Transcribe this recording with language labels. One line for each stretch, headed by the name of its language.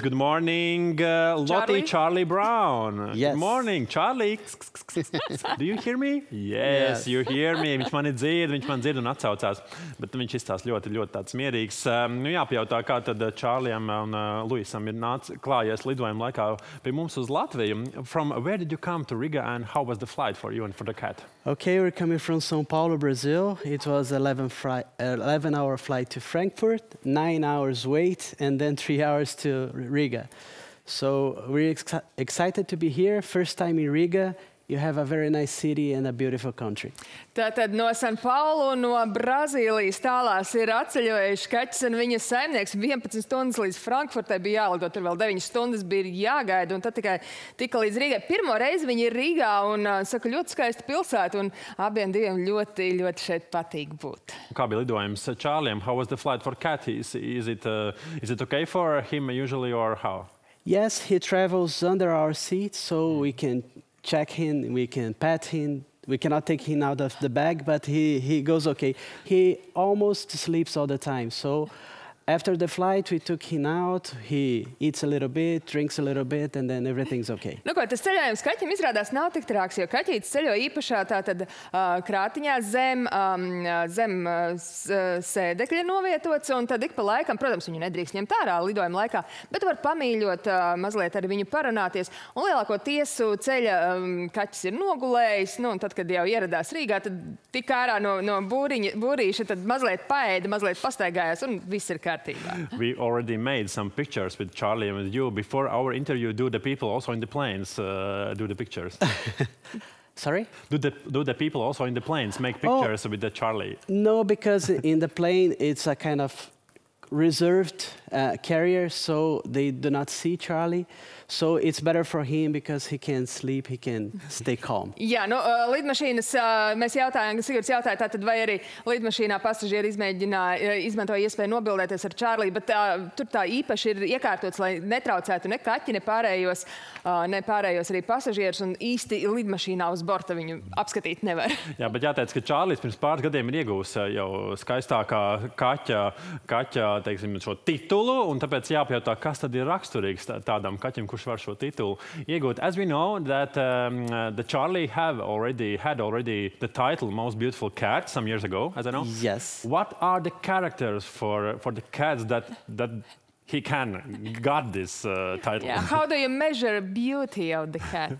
English: Good morning, Lottie Charlie Brown. Yes. Good morning, Charlie. Do you hear me? Yes, you hear me.
Latvian: Viņš man dzird un atsaucās. Bet viņš izstās ļoti, ļoti tāds mierīgs. Nu, jāpajautā, kā tad Čārlijam un Luisam ir nāc klājies lidojuma laikā pie mums uz Latviju.
English: From where did you come to Riga and how was the flight for you and for the cat? Okay, we're coming from São Paulo, Brazil. It was 11-hour flight to Frankfurt, 9 hours wait, and then 3 hours to Riga. So we're excited to be here. First time in Riga. You have a very nice city and a beautiful country.
Latvian: Tātad no San Paulo, no Brazīlijas tālās ir atceļojuši kaķis un viņa saimnieks. 11 stundas līdz Frankfurtai bija jālido, tur vēl 9 stundas bija jāgaida. Un tad tikai tika līdz Rīgai. Pirmo reizi viņi ir Rīgā un saka, ļoti skaista pilsēta. Un abiem diviem ļoti, ļoti šeit patīk būt. Kā bija lidojums Čārlijam?
English: How was the flight for cat? Is it okay for him usually or how? Yes, he travels under our seat, so we can check him, we can pet him, we cannot take him out of the bag, but he goes okay. He almost sleeps all the time. So after the flight, we took him out, he eats a little bit, drinks a little bit, and then everything's okay.
Latvian: Nu ko, tas ceļojums kaķim izrādās nav tik trāks, jo kaķītis ceļo īpašā tātad krātiņā zem sēdekļa novietots, un tad ik pa laikam, protams, viņu nedrīkst ņemt ārā lidojuma laikā, bet var pamīļot, mazliet ar viņu parunāties, un lielāko tiesu ceļa kaķis ir nogulējis, nu un tad, kad jau ieradās Rīgā, tad tik ārā no būrīša, tad mazliet paēda, mazliet pastaigājās, un viss ir
English: We already made some pictures with Charlie and with you before our interview. Do the people also in the planes do the pictures? Sorry? Do the people also in the planes make pictures with the Charlie? No, because in the plane it's a kind of reserved carrier, so they do not see Charlie. So it's better for him because he can sleep, he can stay calm.
Latvian: Jā, nu, lidmašīnas, mēs jautājām, Sigurds jautāja, tātad vai arī lidmašīnā pasažieri izmantoja iespēju nobildēties ar Čārliju, bet tur tā īpaši ir iekārtots, lai netraucētu ne kaķi, ne pārējos arī pasažierus, un īsti lidmašīnā uz borta viņu apskatīt nevar. Jā, bet jāteic, ka Čārlijs pirms pāris gadiem ir iegūs jau skaistākā kaķa, teiksim, šo titulu, un tāpēc jāpajautā, kas tad ir raksturīgs tādam kaķim, kurš var šo titulu iegūt.
English: As we know that the Charlie had already the title most beautiful cat some years ago, as I know. Yes. What are the characters for the cats that he can got this title? Yeah. How do you measure beauty of the cat?